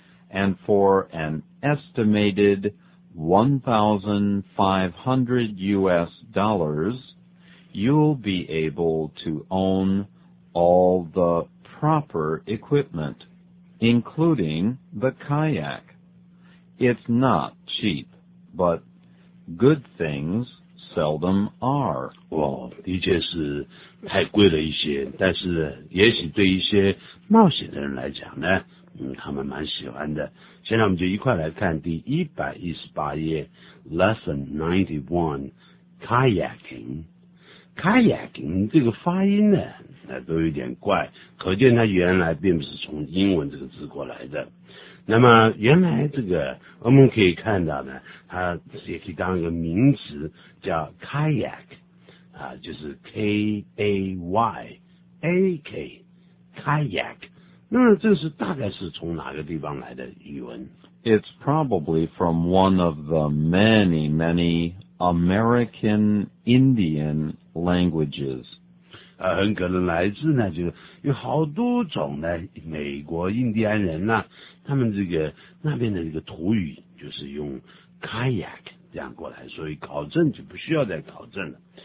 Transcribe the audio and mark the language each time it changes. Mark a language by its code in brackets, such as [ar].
[en] And for an estimated $1,500, you'll be able to own all the proper equipment, including the kayak. It's not cheap, but good things seldom are. [zh] 哦，的确是太贵了一些，但是也许对一些冒险的人来讲呢，他们蛮喜欢的。现在我们就一块来看第118页 Lesson 91 Kayaking。 Kayaking 这个发音呢那都有点怪，可见它原来并不是从英文这个字过来的。那么原来这个我们可以看到呢，它也可以当一个名词叫 Kayak、就是 K-A-Y-A-K Kayak。那这是大概是从哪个地方来的语文？ [en] It's probably from one of the many, many American Indian languages. [zh] 很可能来自呢，就是有好多种呢，美国印第安人呢，他们这个那边的这个土语就是用 kayak 这样过来，所以考证就不需要再考证了。